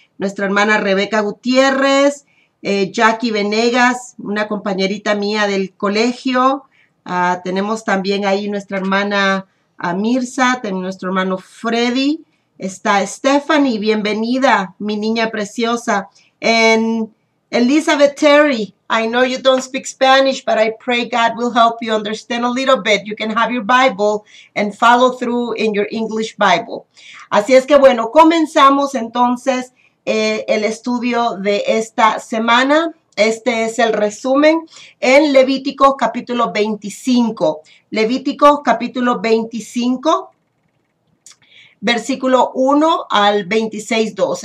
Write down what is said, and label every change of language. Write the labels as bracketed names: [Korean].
[Spanish] Nuestra hermana Rebeca Gutiérrez, Jackie Venegas, una compañerita mía del colegio. Tenemos también ahí nuestra hermana a Mirza, tenemos nuestro hermano Freddy, está Stephanie, bienvenida, mi niña preciosa. [English] And Elizabeth Terry, I know you don't speak Spanish, but I pray God will help you understand a little bit. You can have your Bible and follow through in your English Bible. [Spanish] Así es que bueno, comenzamos entonces el estudio de esta semana. Este es el resumen en Levítico capítulo 25. Levítico capítulo 25, versículo 1 al 26:2.